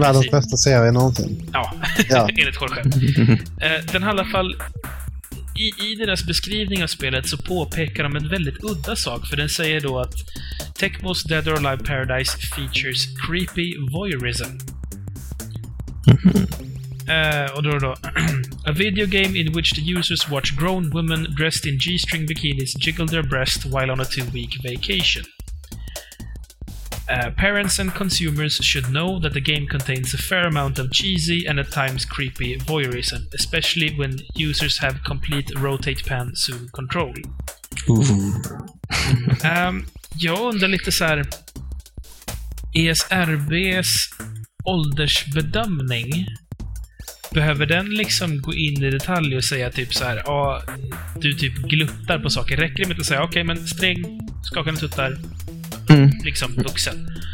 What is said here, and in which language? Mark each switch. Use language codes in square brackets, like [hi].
[sv] världens bästa serie någonting. Ja, enligt Jorge. Den här i alla fall, i deras beskrivning av spelet så påpekar de en väldigt udda sak, för den säger då att [en] Tecmo's Dead or Alive Paradise features creepy voyeurism. [sv] Och då [en] a video game in which the users watch grown women dressed in G-string bikinis jiggle their breasts while on a 2-week vacation. Parents and consumers should know that the game contains a fair amount of cheesy and at times creepy voyeurism, especially when users have complete rotate pan zoom control. [sv] Jag undrar lite så här, ESRBs åldersbedömning, behöver den liksom gå in i detalj och säga typ så här, du typ gluttar på saker, räcker det med att säga okej, men sträng, skakande tuttar, liksom vuxen?